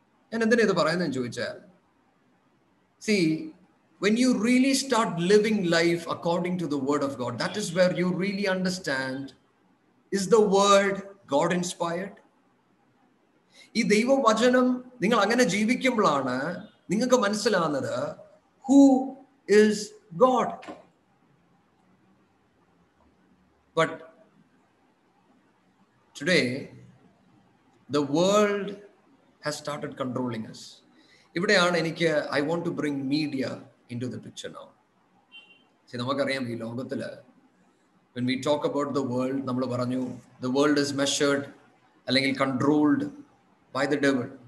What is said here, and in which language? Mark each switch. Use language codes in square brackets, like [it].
[ml] ഞാൻ എന്തിനാ ഇത് പറയുന്നതെന്ന് ചോദിച്ചാൽ, [en] See when you really start living life according to the word of God, that is where you really understand is the word God inspired. [ml] ഈ ദൈവവചനം നിങ്ങൾ അങ്ങനെ ജീവിക്കുമ്പോഴാണ് നിങ്ങൾക്ക് മനസ്സിലാകുന്നത് [en] Who is God? But today, the world has started controlling us. [ml] ഇവിടെയാണ് എനിക്ക് [en] I want to bring media into the picture now. [ml] ശരി, നമുക്കറിയാം ഈ ലോകത്തിൽ [en] when we talk about the world, [ml] നമ്മൾ പറഞ്ഞു [en] the world is measured [ml] അല്ലെങ്കിൽ [en] Controlled by the devil.